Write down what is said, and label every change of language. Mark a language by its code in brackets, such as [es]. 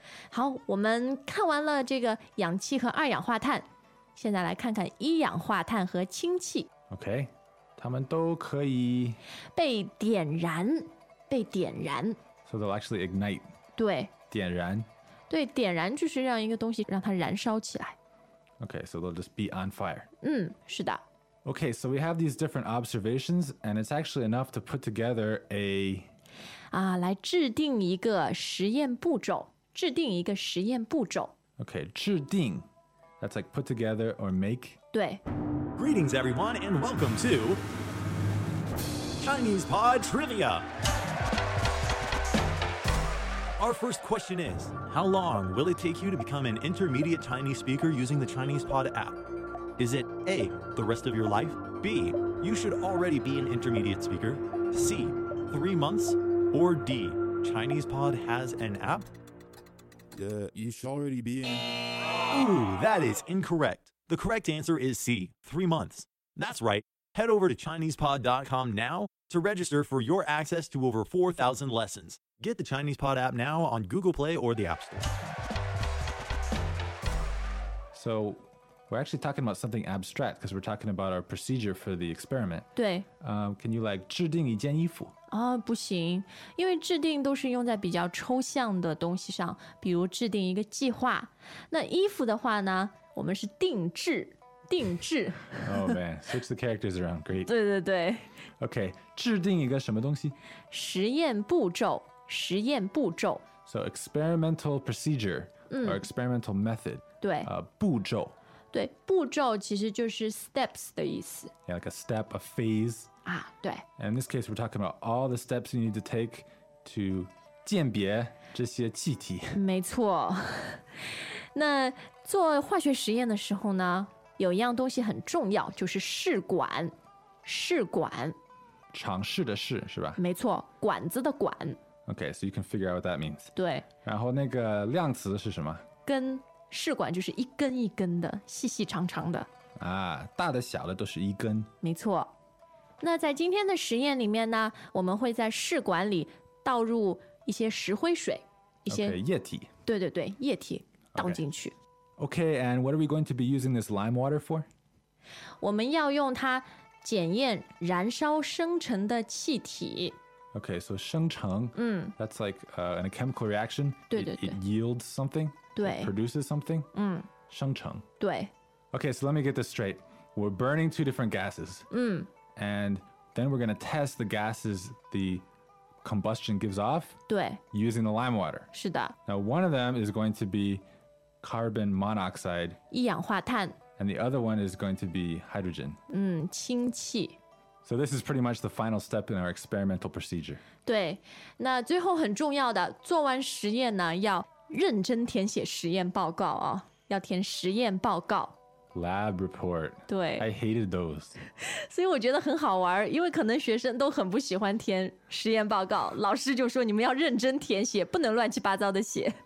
[zh] 好，我们看完了这个氧气和二氧化碳，现在来看看一氧化碳和氢气。 OK， 他们都可以被点燃，被点燃。 [en] So they'll actually ignite。 [zh] 对，点燃。对，点燃就是让一个东西让它燃烧起来。 [en] OK， so they'll just be on fire。 [zh] 嗯，是的。 [en] OK， so we have these different observations and it's actually enough to put together a [zh] 啊，来制定一个实验步骤，制定一个实验步骤。 [en] OK， 制定。That's like put together or make. [zh] 对。 [en] Greetings everyone and welcome to ChinesePod Trivia. Our first question is, how long will it take you to become an intermediate Chinese speaker using the ChinesePod app? Is it A, the rest of your life? B, you should already be an intermediate speaker? C, 3 months? Or D, ChinesePod has an app? You should already be in. Ooh, that is incorrect. The correct answer is C, 3 months. That's right. Head over to ChinesePod.com now to register for your access to over 4,000 lessons. Get the ChinesePod app now on Google Play or the App Store. So, we're actually talking about something abstract because we're talking about our procedure for the experiment. [zh] 对。 [en] Can you like [zh] 制定一件衣服？哦，不行，因为制定都是用在比较抽象的东西上，比如制定一个计划。那衣服的话呢，我们是定制，定制。 [en] Oh man, switch the characters around, great. [zh] 对对对。 OK, 制定一个什么东西？实验步骤，实验步骤。 [en] So experimental procedure, or experimental method. [zh] 对。步骤。对，步骤其实就是 steps 的意思。 [en] Yeah, like a step, a phase. [zh] 对。 [en] And in this case, we're talking about all the steps you need to take to [zh] 鉴别这些气体。没错。那做化学实验的时候呢，有一样东西很重要，就是试管。试管。尝试的试，是吧？没错，管子的管。 [en] Okay, so you can figure out what that means. [zh] 对。然后那个量词是什么？根。试管就是一根一根的，细细长长的。啊，大的小的都是一根。没错。那在今天的实验里面呢，我们会在试管里倒入一些石灰水，一些 okay, 液体。对对对，液体倒进去。 [en] Okay. Okay, and what are we going to be using this lime water for? [zh] 我们要用它检验燃烧生成的气体。 [en] Okay, so 生成， [zh] 嗯 [en] ，that's like in a chemical reaction. [zh] 对对对 [en] ，it yields something. [zh] 对 [en] it ，produces something. [zh] 嗯，生成。对。 [en] Okay, so let me get this straight. We're burning two different gases. [zh] 嗯。 [en] And then we're going to test the gases the combustion gives off [zh] 对 [en] using the lime water. [zh] 是的。 [en] Now one of them is going to be carbon monoxide. [zh] 一氧化碳。 [en] And the other one is going to be hydrogen. [zh] 嗯，氢气。 [en] So this is pretty much the final step in our experimental procedure. [zh] 对，那最后很重要的，做完实验呢，要认真填写实验报告哦，要填实验报告 [en] Lab report。 [zh] 对， [en] I hated those。 [zh] 所以我觉得很好玩，因为可能学生都很不喜欢填实验报告，老师就说你们要认真填写，不能乱七八糟的写。